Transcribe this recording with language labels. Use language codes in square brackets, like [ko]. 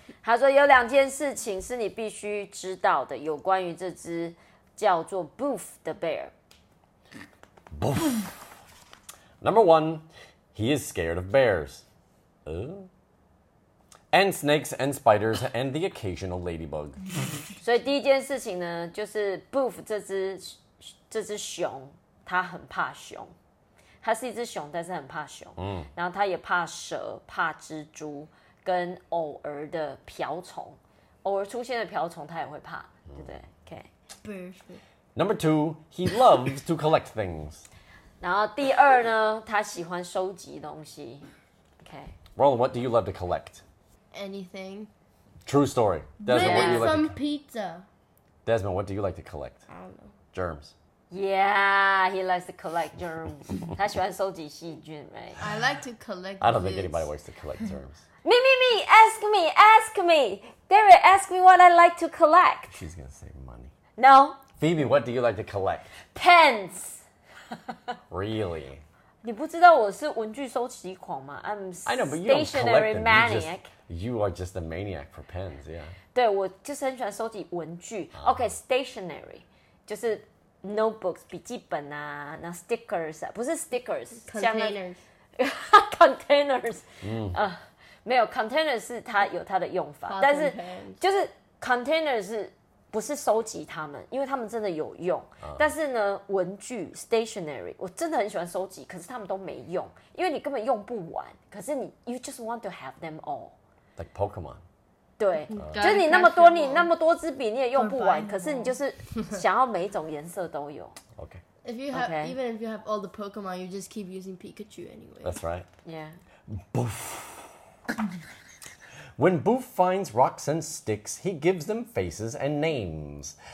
[zh] 他说有两件事情是你必须知道的，有关于这只叫做 boof the bear。 [en] boof， number one。 He is scared of bears, and snakes and spiders and the occasional ladybug. [zh] 所以第一件事情呢，就是 Boof 这只熊，它很怕熊，它是一只熊，但是很怕熊。然后它也怕蛇、怕蜘蛛跟偶尔的瓢虫，偶尔出现的瓢虫它也会怕，对不对 ？OK. [en] Number two, he loves to collect things. [zh] 然后第二呢，他喜欢收集东西。 [en] Okay. Roland, what do you love to collect? Anything. True story. Desmond, what do you like? Some pizza. Desmond, what do you like to collect? I don't know. Germs. Yeah, he likes to collect germs. [zh] 他喜欢收集细菌 [en] right? I like to collect. I don't think anybody likes to collect germs. Me. Ask me. Derek, ask me what I like to collect. She's gonna say money. No. Phoebe, what do you like to collect? Pens. Really? [zh] 你不知道我是文具收集狂吗? [en] I'm stationary maniac. You are just a maniac for pens, yeah. [zh] 对,我就是很喜欢收集文具。 [en] Okay, stationary, [zh] 就是 [en] notebooks, [zh] 笔记本啊,那 [en] stickers, [zh] 啊不是 stickers, [en] containers. [zh] containers. 没有 ,containers 是它有它的用法。但是就是 containers 是不是收集他们，因为他们真的有用。但是呢，文具 stationery 我真的很喜欢收集，可是他们都没用，因为你根本用不完。可是你 [en] you just want to have them all, like Pokemon. [zh] 对，就是你那么多，你那么多支笔你也用不完，可是你就是想要每一种颜色都有。 [en] Okay. If you have, okay. Even if you have all the Pokemon, you just keep using Pikachu anyway. That's right. Yeah. Boof. When Boof finds rocks and sticks, he gives them faces and names.